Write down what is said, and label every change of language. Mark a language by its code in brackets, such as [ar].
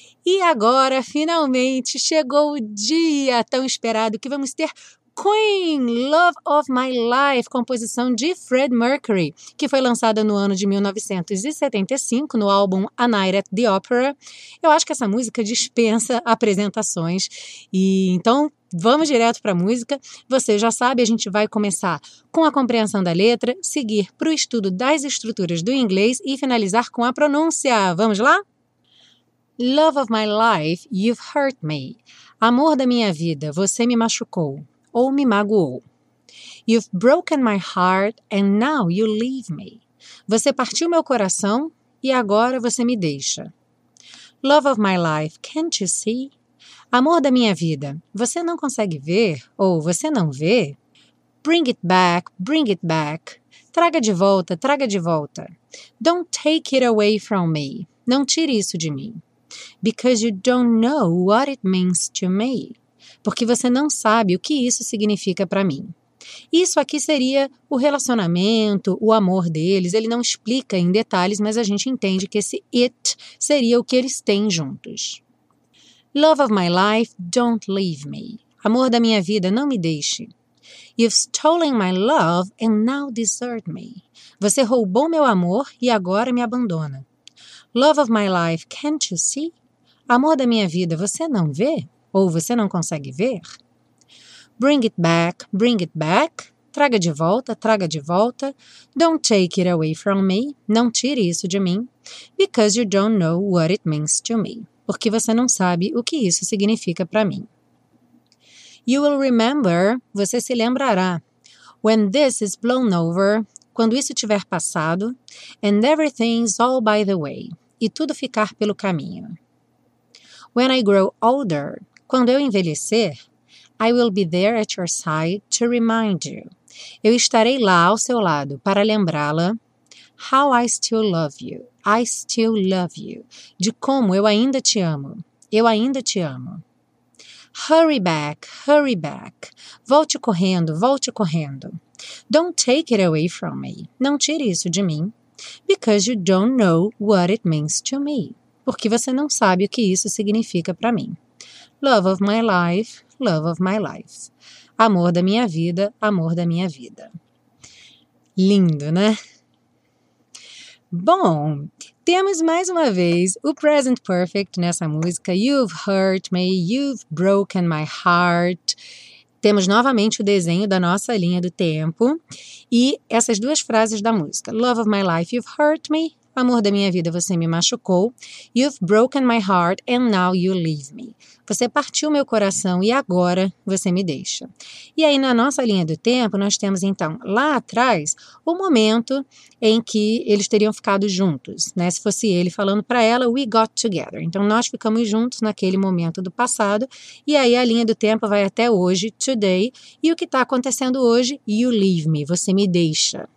[pt] E agora, finalmente, chegou o dia tão esperado que vamos ter Queen, Love of My Life, composição de Fred Mercury, que foi lançada no ano de 1975, no álbum A Night at the Opera. Eu acho que essa música dispensa apresentações. E então, vamos direto para a música. Você já sabe, a gente vai começar com a compreensão da letra, seguir para o estudo das estruturas do inglês e finalizar com a pronúncia. Vamos lá? [en] Love of my life, you've hurt me. [pt] Amor da minha vida, você me machucou ou me magoou. [en] You've broken my heart and now you leave me. [pt] Você partiu meu coração e agora você me deixa. [en] Love of my life, can't you see? [pt] Amor da minha vida, você não consegue ver ou você não vê? [en] Bring it back, bring it back. [pt] Traga de volta, traga de volta. [en] Don't take it away from me. [pt] Não tire isso de mim. [en] Because you don't know what it means to me. [pt] Porque você não sabe o que isso significa para mim. Isso aqui seria o relacionamento, o amor deles. Ele não explica em detalhes, mas a gente entende que esse it seria o que eles têm juntos. [en] Love of my life, don't leave me. [pt] Amor da minha vida, não me deixe. [en] You've stolen my love and now desert me. [pt] Você roubou meu amor e agora me abandona. [en] Love of my life, can't you see? [pt] Amor da minha vida, você não vê? Ou você não consegue ver? [en] Bring it back, [pt] traga de volta, traga de volta. [en] Don't take it away from me, [pt] não tire isso de mim. [en] Because you don't know what it means to me. [pt] Porque você não sabe o que isso significa para mim. [en] You will remember, [pt] você se lembrará. [en] When this is blown over, [pt] quando isso tiver passado, [en] and everything's all by the way, [pt] e tudo ficar pelo caminho. [en] When I grow older, [pt] quando eu envelhecer, [en] I will be there at your side to remind you. [pt] Eu estarei lá ao seu lado para lembrá-la [en] how I still love you. I still love you. [pt] De como eu ainda te amo. Eu ainda te amo. [en] Hurry back, hurry back. [pt] Volte correndo, volte correndo. [en] Don't take it away from me. [pt] Não tire isso de mim. [en] Because you don't know what it means to me. [pt] Porque você não sabe o que isso significa para mim. [en] Love of my life, love of my life. [pt] Amor da minha vida, amor da minha vida. Lindo, né? Bom, temos mais uma vez o present perfect nessa música. [en] You've hurt me, you've broken my heart. [pt] Temos novamente o desenho da nossa linha do tempo e essas duas frases da música. [en] Love of my life, you've hurt me. [pt] Amor da minha vida, você me machucou. [en] You've broken my heart and now you leave me. [pt] Você partiu meu coração e agora você me deixa. E aí na nossa linha do tempo, nós temos então lá atrás o momento em que eles teriam ficado juntos, né? Se fosse ele falando para ela, [en] we got together. [pt] Então nós ficamos juntos naquele momento do passado e aí a linha do tempo vai até hoje, today, e o que está acontecendo hoje, [en] you leave me, [pt] você me deixa.